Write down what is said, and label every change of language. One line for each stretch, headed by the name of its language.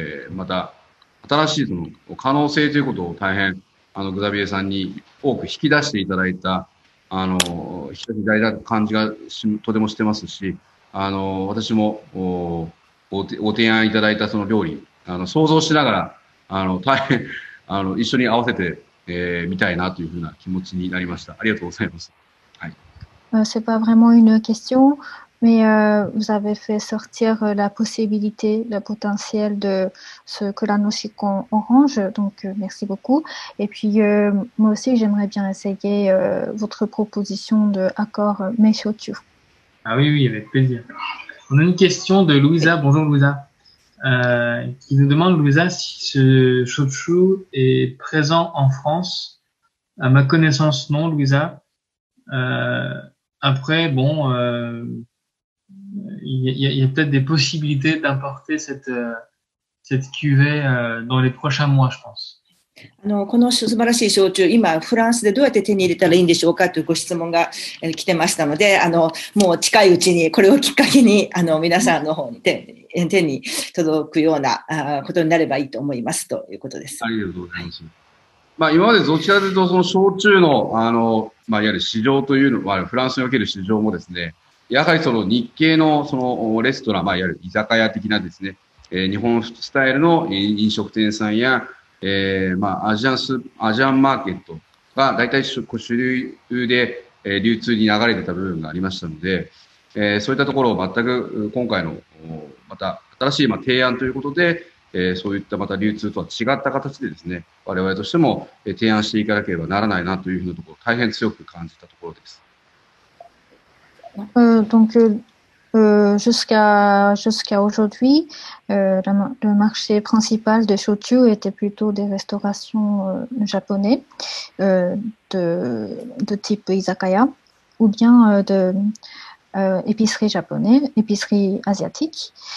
Japanese: また新しいその可能性ということを大変、グザビエさんに多く引き出していただいた、引き出した感じがとてもしてますし、私も ご提案いただいたその料理、想像しながら、大変、一緒に合わせて、見たいなというふうな気持ちになりました。ありがとうございます。はい。
French: C'est pas vraiment une question, mais vous avez fait sortir la possibilité, le potentiel de ce Kuranoshikon orange, donc merci beaucoup. Et puis moi aussi, j'aimerais bien essayer votre proposition d'accord Meishochu. Ah oui, oui, avec plaisir. On a une question de Louisa, bonjour Louisa, qui nous demande, Louisa, si ce shochu est présent en France. À ma connaissance, non, Louisa. Après, bon, il y a peut-être des possibilités d'importer cette cuvée dans les prochains mois, je pense.
Japanese: この素晴らしい焼酎、今フランスでどうやって手に入れたらいいんでしょうかというご質問が来てましたので、もう近いうちにこれをきっかけに皆さんの方に 手に届くようなことになればいいと思いますということです。ありがとうございます。まあ、今までどちらかというとその焼酎 の, まあ、いわゆる市場というのは、フランスにおける市場もですね、やはりその日系 の, そのレストラン、まあ、いわゆる居酒屋的なですね、日本スタイルの飲食店さんや、まあ、アジアンマーケットが大体主流で流通に流れてた部分がありましたので、そういったところを全く今回のまた新しい提案ということで、そういったまた流通とは違った形でですね、我々としても提案していかなければならないなというふうなところを大変強く感じたところです。
French: Jusqu'à aujourd'hui, le marché principal de shochu était plutôt des restaurations japonais de type izakaya ou bien épicerie japonaise, épicerie asiatique.